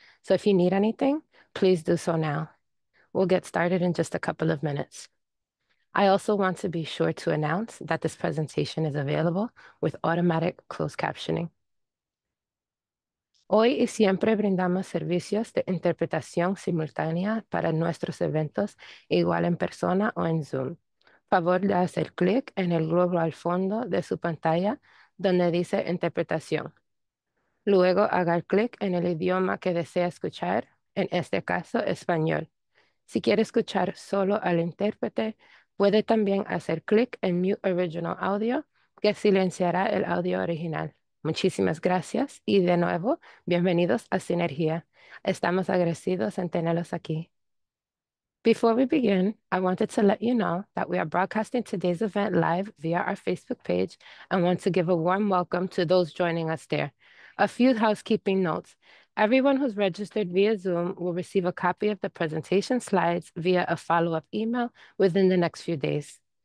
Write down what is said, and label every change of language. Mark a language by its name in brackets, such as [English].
[English] So if you need anything, please do so now. We'll get started in just a couple of minutes. I also want to be sure to announce that this presentation is available with automatic closed captioning. [Spanish] Hoy y siempre brindamos servicios de interpretación simultánea para nuestros eventos, igual en persona o en Zoom. Favor de hacer clic en el globo al fondo de su pantalla donde dice interpretación. Luego haga clic en el idioma que desea escuchar, en este caso español. Si quiere escuchar solo al intérprete, puede también hacer clic en Mute Original Audio, que silenciará el audio original. Muchísimas gracias y de nuevo, bienvenidos a Sinergia. Estamos agradecidos en tenerlos aquí. [English] Before we begin, I wanted to let you know that we are broadcasting today's event live via our Facebook page and want to give a warm welcome to those joining us there. A few housekeeping notes. Everyone who's registered via Zoom will receive a copy of the presentation slides via a follow-up email within the next few days.